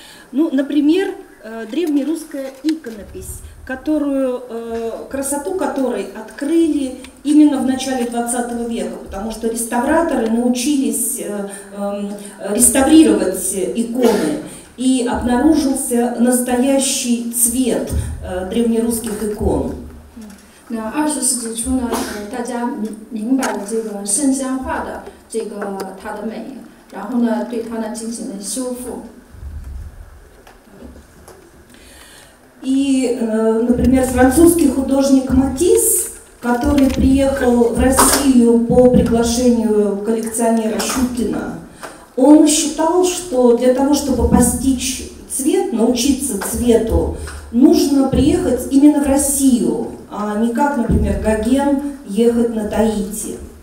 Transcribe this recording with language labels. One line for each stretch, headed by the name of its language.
Russian: Ну, например, древнерусская иконопись, которую красоту которой открыли именно в начале 20 века, потому что реставраторы научились реставрировать иконы, и обнаружился настоящий цвет древнерусских икон.
Chinese: 那二十世纪初呢，大家明白了这个圣像画的这个它的美，然后呢对它呢进行了修复。
Russian: И, например, французский художник Матисс, который приехал в Россию по приглашению коллекционера Щукина, он считал, что для того, чтобы постичь цвет, научиться цвету, нужно приехать именно в Россию, а не как, например, Гоген ехать на Таити.